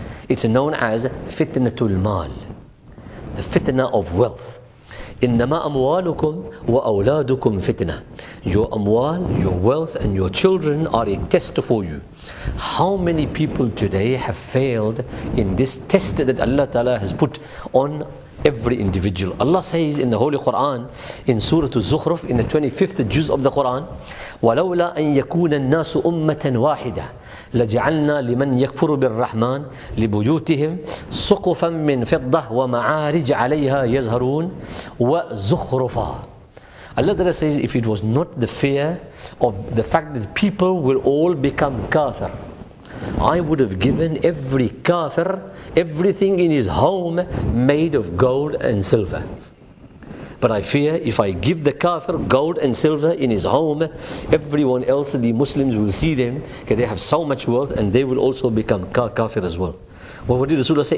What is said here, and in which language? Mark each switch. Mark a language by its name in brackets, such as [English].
[English] It's known as fitnatul mal, the fitna of wealth. [Arabic] Innama amwalukum wa awladukum fitna. [English] Your amwal, your wealth and your children are a test for you. How many people today have failed in this test that Allah Ta'ala has put on every individual. Allah says in the Holy Quran, in Surah Al-Zukhruf, in the 25th juz of the Quran, [Arabic] وَلَوْلَا أَن يَكُونَ النَّاسُ أُمَّةً وَاحِدَةً لَجَعَلْنَا لِمَن يَكْفُرُ بِالرَّحْمَنِ لِبُيُوتِهِمْ سُقُفًا مِّن فِضَّةٍ وَمَعَارِجَ عَلَيْهَا يَزْهَرُونَ وَزُخْرُفًا. [English] Allah says, if it was not the fear of the fact that people will all become kafir, I would have given every kafir everything in his home made of gold and silver. But I fear if I give the kafir gold and silver in his home, everyone else, the Muslims, will see them, okay, they have so much wealth, and they will also become kafir as well. Well, what did Rasulullah say?